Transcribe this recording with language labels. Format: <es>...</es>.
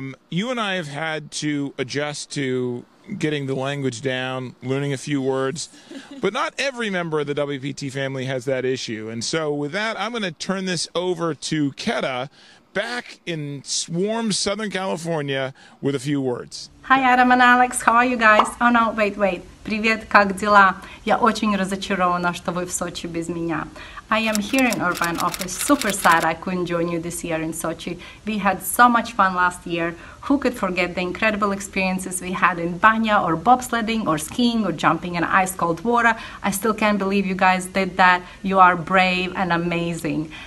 <en>You and I have had to adjust to getting the language down, learning a few words, but not every member of the WPT family has that issue. And so with that, I'm going to turn this over to Keta back in warm Southern California with a few words. Hi, Adam and Alex. How are you guys? Oh, no, wait.</en> <ru>Привет, как дела? Я очень разочарована, что вы в Сочи без меня.</ru> <en>I am here in Irvine office. Super sad I couldn't join you this year in Sochi. We had so much fun last year. Who could forget the incredible experiences we had in Banya or bobsledding or skiing or jumping in ice-cold water? I still can't believe you guys did that. You are brave and amazing.</en>